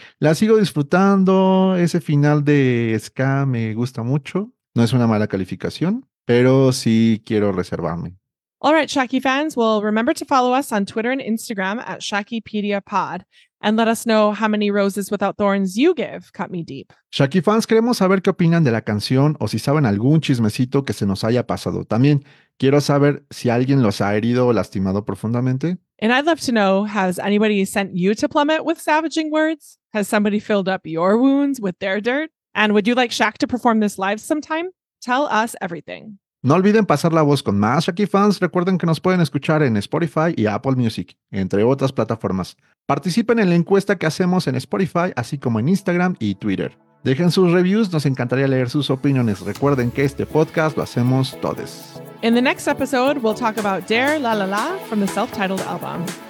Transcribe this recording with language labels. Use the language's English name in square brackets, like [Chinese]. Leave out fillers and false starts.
[Spanish] La sigo disfrutando, ese final de ska me gusta mucho, no es una mala calificación, pero sí quiero reservarme. [English] All right, Shaki fans, well, remember to follow us on Twitter and Instagram at ShakiPediaPod and let us know how many roses without thorns you give Cut Me Deep. [Spanish] Shaki fans, queremos saber qué opinan de la canción o si saben algún chismecito que se nos haya pasado. También quiero saber si alguien los ha herido o lastimado profundamente. [English] And I'd love to know, has anybody sent you to plummet with savaging words? Has somebody filled up your wounds with their dirt? And would you like Shak to perform this live sometime? Tell us everything. [Spanish] No olviden pasar la voz con más Shaki fans. Recuerden que nos pueden escuchar en Spotify y Apple Music, entre otras plataformas. Participen en la encuesta que hacemos en Spotify, así como en Instagram y Twitter. Dejen sus reviews, nos encantaría leer sus opiniones. Recuerden que este podcast lo hacemos todos. [English] In the next episode, we'll talk about Dare La La La from the self-titled album.